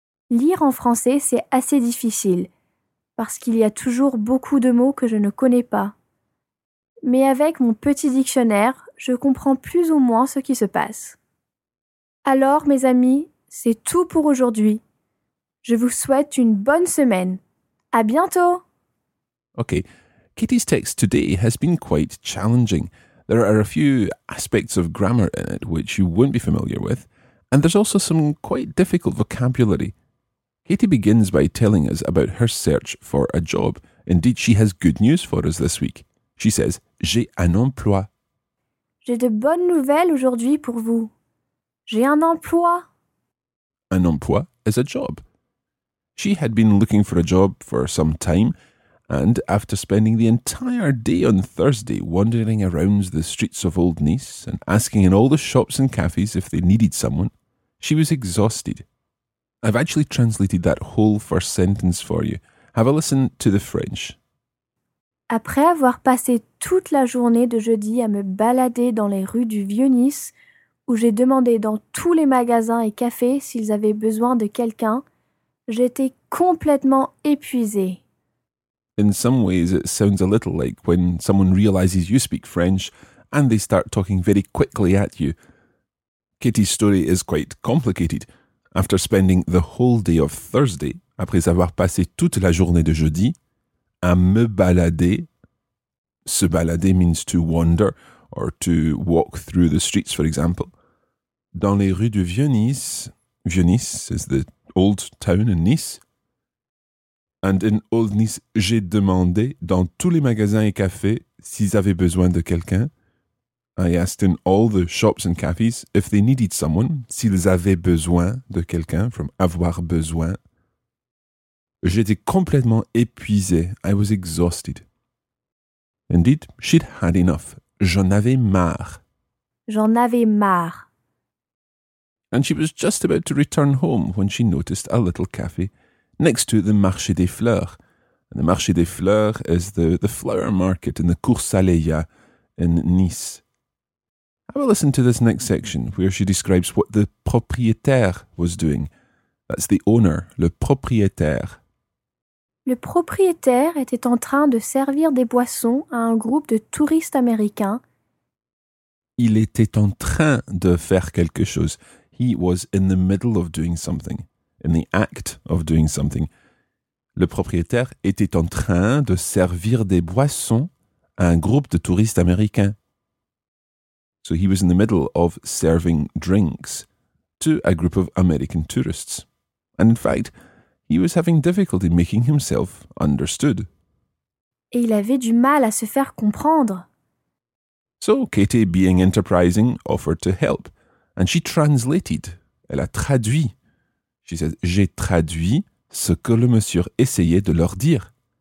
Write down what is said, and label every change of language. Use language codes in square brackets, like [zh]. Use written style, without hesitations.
[fr] Lire en français, c'est assez difficile, parce qu'il y a toujours beaucoup de mots que je ne connais pas. Mais avec mon petit dictionnaire, je comprends plus ou moins ce qui se passe. Alors, mes amis, c'est tout pour aujourd'hui. Je vous souhaite une bonne semaine. À bientôt! [en] Okay, Katie's text today has been quite challenging. There are a few aspects of grammar in it which you won't be familiar with, and there's also some quite difficult vocabulary. Katie begins by telling us about her search for a job. Indeed, she has good news for us this week. She says, [fr] j'ai un emploi. J'ai de bonnes nouvelles aujourd'hui pour vous. J'ai un emploi. [en] Un emploi is a job. She had been looking for a job for some time, and after spending the entire day on Thursday wandering around the streets of Old Nice and asking in all the shops and cafes if they needed someone, she was exhausted. I've actually translated that whole first sentence for you. Have a listen to the French. [fr] Après avoir passé toute la journée de jeudi à me balader dans les rues du Vieux-Nice, où j'ai demandé dans tous les magasins et cafés s'ils avaient besoin de quelqu'un, j'étais complètement épuisée. [en] In some ways, it sounds a little like when someone realizes you speak French and they start talking very quickly at you. Katie's story is quite complicated. After spending the whole day of Thursday, [fr] après avoir passé toute la journée de jeudi, à me balader. [en] Se balader means to wander or to walk through the streets, for example. [fr] Dans les rues du Vieux-Nice. [en] Vieux-Nice is the old town in Nice. And in Old Nice, [fr] j'ai demandé dans tous les magasins et cafés s'ils avaient besoin de quelqu'un. [en] I asked in all the shops and cafes if they needed someone, [fr] s'ils avaient besoin de quelqu'un, [en] from avoir besoin. [fr] J'étais complètement épuisé. [en] I was exhausted. Indeed, she'd had enough. [fr] J'en avais marre. J'en avais marre. [en] And she was just about to return home when she noticed a little cafe next to the Marché des Fleurs. And the Marché des Fleurs is the flower market in the Cours Saleya in Nice. I will listen to this next section where she describes what the propriétaire was doing. That's the owner, le propriétaire. [fr] Le propriétaire était en train de servir des boissons à un groupe de touristes américains. Il était en train de faire quelque chose. [en] He was in the middle of doing something. In the act of doing something. [fr] Le propriétaire était en train de servir des boissons à un groupe de touristes américains. [en] So he was in the middle of serving drinks to a group of American tourists. And in fact, he was having difficulty making himself understood. [fr] Et il avait du mal à se faire comprendre. [en] So Katie, being enterprising, offered to help. And she translated. [fr] Elle a traduit. [en] She said, [fr] j'ai traduit ce que le monsieur essayait de leur dire.